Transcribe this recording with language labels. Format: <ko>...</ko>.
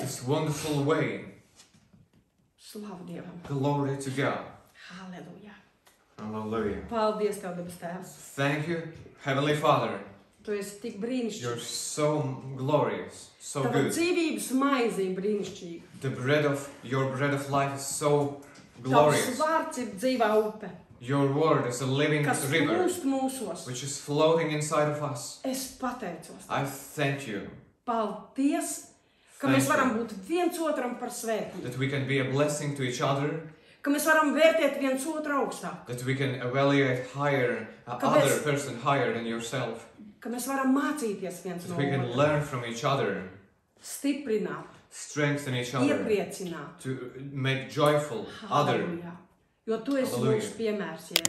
<en>this wonderful way.</en> <lv>Slavu Dievam.</lv> <en>Glory to God.</en> <lv>Halleluja. Halleluja. Paldies Tev, Debes Tēvs.</lv> <en>Thank you, Heavenly Father.</en> <lv>Tu esi tik brīnišķīgs.</lv> <en>You're so glorious, so</en> <lv>tava</lv> <en>good.</en> <lv>Tava dzīvības maize ir brīnišķīga.</lv> <en>The bread of your bread of life is so glorious.</en> <lv>Tavs vārds ir dzīvā upe.</lv> <en>Your word is a living</en> <lv>kas</lv> <en>river.</en> <lv>Kas plūst mūsos.</lv> <en>Which is flowing inside of us.</en> <lv>Es pateicos.</lv> <en>I thank you.</en> <lv>Paldies, ka mēs varam būt viens otram par svētību.</lv> <en>That we can be a blessing to each other.</en> <lv>Ka mēs varam vērtēt viens otru augstāk.</lv> <en>That we can evaluate higher other person higher than yourself.</en> <lv>Ka mēs varam mācīties viens no otru.</lv> <en>We can learn from each other.</en> <lv>Stiprināt.</lv> <en>Strengthen each other.</en> <lv>Iepriecināt.</lv> <en>To make joyful other.</en> <lv>Jo tu esi mums piemērs, Jēzus.</lv>